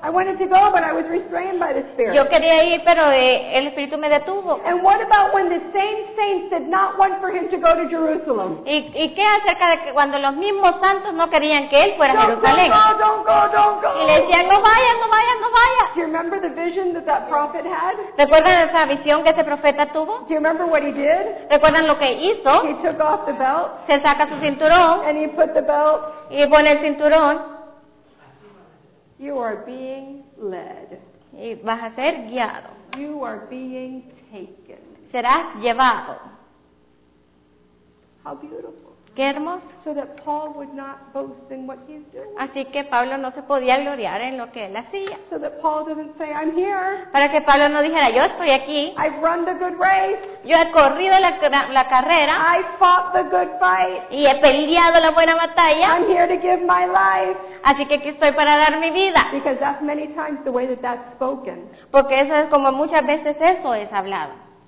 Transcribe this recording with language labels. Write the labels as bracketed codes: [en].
[en] I wanted to go, but I was restrained by the Spirit. [es] Yo quería ir, pero el Espíritu me detuvo. [en] And what about when the same saints did not want for him to go to Jerusalem? [es] ¿Y qué acerca de cuando los mismos santos no querían que él fuera a Jerusalén? [en] Don't go. [es] Y le decían, no vaya. [en] Do you remember the vision that prophet had? [es] ¿Recuerdan esa visión que ese profeta tuvo? [en] Do you remember what he did? [es] ¿Recuerdan lo que hizo? [en] He took off the belt. [es] Se saca su cinturón. [en] And he put the belt. [es] Y pone el cinturón. [en] You are being led. [es] Y vas a ser guiado. [en] You are being taken. [es] Serás llevado. [en] How beautiful. [es] Qué hermoso. [en] So that Paul would not boast in what he's doing. [es] Así que Pablo no se podía gloriar en lo que él hacía. [en] So that Paul didn't say, I'm here. [es] Para que Pablo no dijera, yo estoy aquí. [en] I've run the good race. [es] Yo he corrido la carrera. [en] I fought the good fight. [es] Y he peleado la buena batalla. [en] I'm here to give my life. [es] Así que aquí estoy para dar mi vida. [en] Because that's many times the way that that's spoken. [es] Porque eso es como muchas veces eso es hablado.